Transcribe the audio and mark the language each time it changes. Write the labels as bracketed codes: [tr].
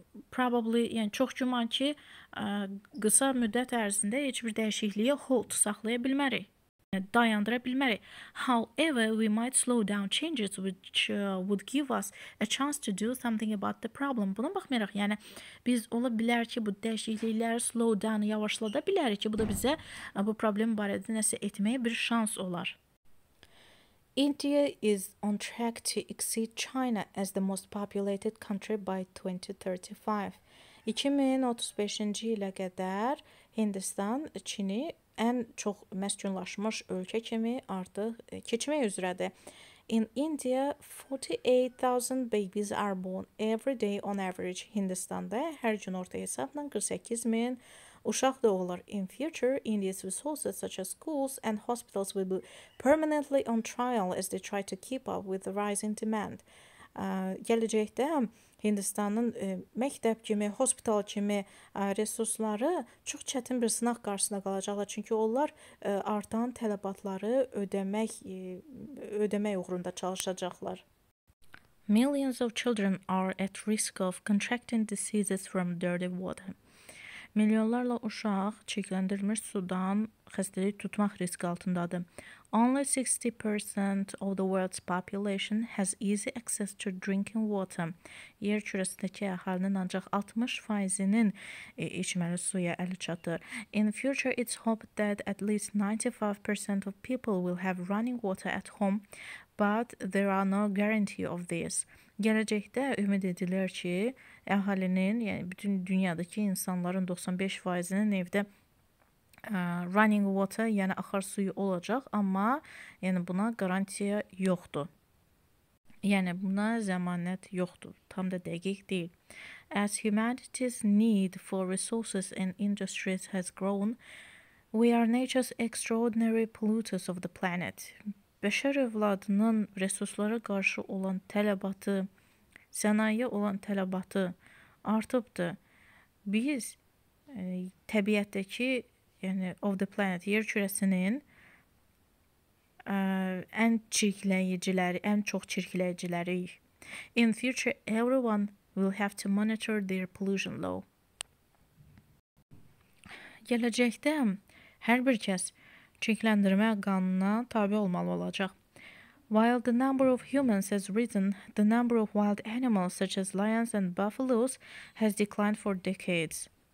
[en] probably, [az] yəni çox güman ki, qısa müddət ərzində heç bir dəyişikliyə [en] hold [az] saxlaya bilmərik. Dayandıra bilmərik. [en] However, we might slow down changes which would give us a chance to do something about the problem. [az] Buna baxmayaraq, yəni biz ola bilər ki, bu dəyişiklikləri [en] slow down, [az] yavaşlada bilərik ki, bu da bizə bu problem barədə nəsə etməyə bir şans olar. [en] India is on track to exceed China as the most populated country by 2035. [az] 2035-ci ilə qədər Hindistan Çini ən çox məskunlaşmış ölkə kimi artıq keçmək üzrədir. [en] In India, 48,000 babies are born every day on average. [az] Hindistanda hər gün orta hesabla 48,000 uşaq doğulur. [en] In future, India's resources such as schools and hospitals will be permanently on trial as they try to keep up with the rising demand. [az] Gələcəkdə Hindistanın məktəb kimi, hospital kimi resursları çox çətin bir sınaq qarşısında qalacaqlar. Çünki onlar artan tələbatları ödəmək uğrunda çalışacaqlar. [en] Millions of children are at risk of contracting diseases from dirty water. [az] Milyonlarla uşaq çirkləndirilmiş sudan xəstəlik tutmaq riski altındadır. [en] Only 60% of the world's population has easy access to drinking water. [az] Yer kürəsindəki əhalinin ancaq 60%-nin içməli suya əli çatır. [en] In the future, it's hoped that at least 95% of people will have running water at home, but there are no guarantee of this. [az] Gələcəkdə ümid edilir ki, əhalinin, yəni bütün dünyadakı insanların 95%-nin evdə [en] running water, [az] yəni axar suyu olacaq, amma yəni buna garantiya yoxdur. Yəni buna zəmanət yoxdur, tam da dəqiq deyil. [en] As humanity's need for resources and industries has grown, we are nature's extraordinary polluters of the planet. [az] Bəşər övladının resurslara qarşı olan tələbatı, sənayə olan tələbatı artıbdır. Biz təbiətdəki, yəni [en] of the planet, [az] yer kürəsinin ən çirkləyiciləri, ən çox çirkləyiciləriyik. [en] In future, everyone will have to monitor their pollution law. [az] Gələcəkdə hər bir kəs çirkləndirmə qanununa tabi olmalı olacaq. [en] While the number of humans has risen, the number of wild animals such as lions and buffaloes has declined for decades.